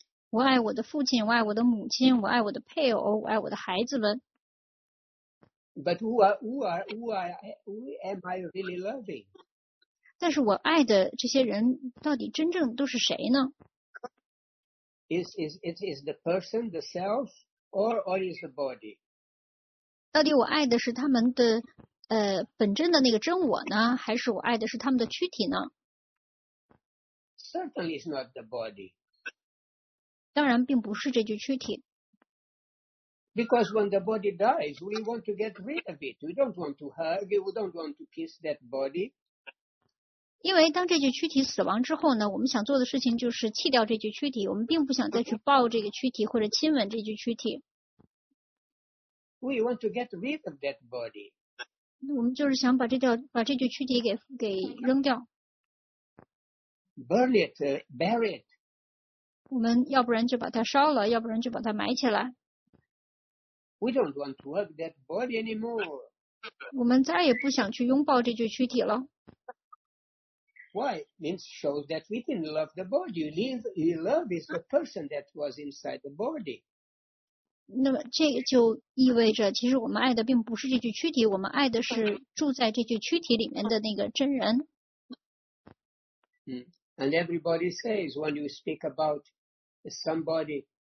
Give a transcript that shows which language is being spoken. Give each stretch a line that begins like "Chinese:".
Chinese: 我爱我的父亲，我爱我的母亲，我爱我的配偶，我爱我的孩子们。
English: But who am I really loving?
Chinese: 但是我爱的这些人到底真正都是谁呢？
English: Is the person, the self, or is the body?
Chinese: 到底我爱的是他们的本真的那个真我呢，还是我爱的是他们的躯体呢？
English: Certainly it's not the body.
Chinese: 当然并不是这具躯体。
English: Because when the body dies, we want to get rid of it. We don't want to hug it. We don't want to kiss that body.
Chinese: 因为当这具躯体死亡之后呢，我们想做的事情就是弃掉这具躯体。我们并不想再去抱这个躯体或者亲吻这具躯体。
English: We want to get rid of that body.
Chinese: 我们就是想把这具躯体给扔掉。
English: Burn it, bury it.
Chinese: 我们要不然就把它烧了，要不然就把它埋起来。
English: We don't want to hug that body anymore.
Chinese: 我们再也不想去拥抱这具躯体了。
English: Why? It shows that we didn't love the body. Love is the person that was inside the body.
Chinese: 那么这就意味着，其实我们爱的并不是这具躯体，我们爱的是住在这具躯体里面的那个真人。
English: And everybody says when you speak about somebody.